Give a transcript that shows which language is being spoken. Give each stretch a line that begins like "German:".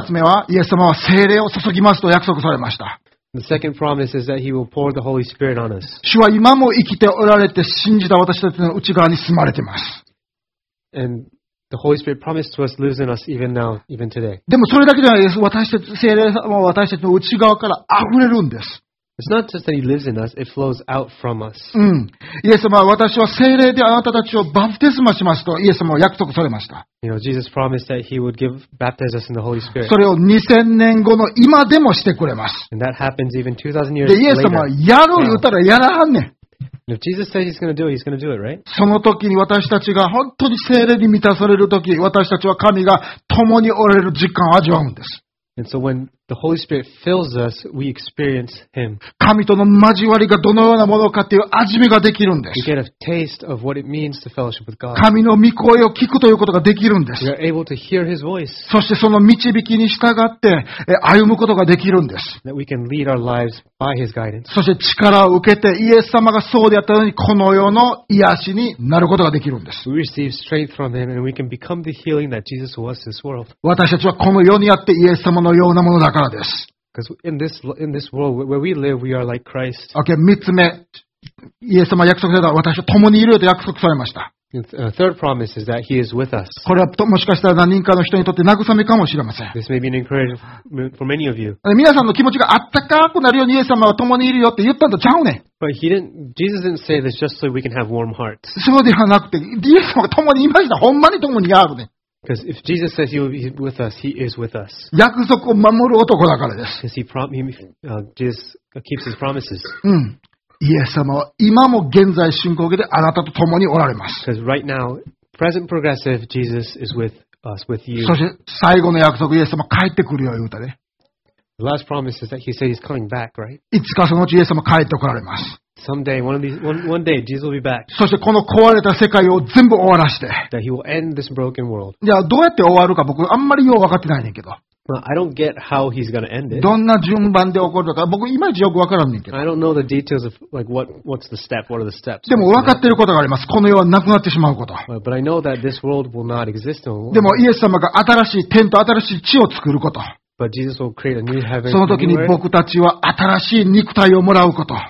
Japanese: 二つ目は、イエス様は聖霊を注ぎますと約束されました。
English: The second promise is that he will pour the Holy Spirit on us.
Japanese: 主は今も生きておられて、信じた私たちの内側に住まれています。
English: And The Holy Spirit promised to us, lives in us even now, even today.
Japanese: でもそれだけじゃないです。私たち聖霊様は私たちの内側から溢れるんです。
English: It's not just that He lives in us; it flows out from us.
Japanese: うん。イエス様は私は聖霊であなたたちをバプテスマしますとイエス様は約束されました。
English: You know, Jesus promised that He would give baptize us in the Holy Spirit.
Japanese: それを2000年後の今でもしてくれます。
English: And that happens even 2000 years
Japanese: でイエス様はやる言ったらやらはんねん。
English: If Jesus says he's going to do it, he's going to do it, right?
Japanese: その時に私たちが本当に聖霊に満たされる時、私たちは神が共におられる実感を味わうんです。
English: And so when the Holy Spirit fills us, we experience him.
Japanese: 神との交わりがどのようなものかという味見ができるんです。
English: We get a taste of what it means to fellowship with God.
Japanese: 神の御声を聞くということができるんです。
English: We are able to hear his voice.
Japanese: そしてその導きに従って歩むことができるんです。
English: That we can lead our lives by his guidance.
Japanese: そして力を受けてイエス様がそうであったのにこの世の癒しになることができるんです。
English: We receive strength from him and we can become the healing that Jesus was in this world.
Japanese: 私たちはこの世にあってイエス様のようなものだからです。
English: Because in this world where we live, we are like Christ.
Japanese: Okay, 三つ目、イエス様約束された私は共にいると約束されました。
English: Third promise is that he is with us.
Japanese: これはもしかしたら何人かの人にとって慰めかもしれません。
English: This may be an encouragement for many of you.
Japanese: 皆さんの気持ちがあったかくなるようにイエス様は共にいるよって言ったんとちゃうねん。
English: But Jesus didn't say this just so we can have warm hearts.
Japanese: そうではなくて、イエス様が共にいました。ほんまに共にあるねん。
English: Because if Jesus says he will be with us, he is with us.
Japanese: 約束を守る男だからです。
English: Because Jesus keeps his promises.
Japanese: うん。イエス様は今も現在進行形であなたと共におられます。
English: Because right now, present progressive, Jesus is with us, with you.
Japanese: そして最後の約束、イエス様帰ってくるよ、言うたね。
English: The last promise is that he said he's coming back, right?
Japanese: いつかそのうちイエス様帰ってこられます。
English: Someday, one day, Jesus will be back.
Japanese: そしてこの壊れた世界を全部終わらして。
English: That he will end this broken world.
Japanese: じゃあどうやって終わるか僕あんまりよう分かってないねんけど。
English: I don't get how he's going to end it.
Japanese: どんな順番で起こるのか、僕いまいちよくわからんねんけど。
English: I don't know the details of like what's the step, what are the steps.
Japanese: でも分かっていることがあります。この世はなくなってしまうこと。
English: But I know that this world will not exist.
Japanese: でもイエス様が新しい天と新しい地を作ること。
English: But Jesus will create a new heaven.
Japanese: その時に僕たちは新しい肉体をもらうこと。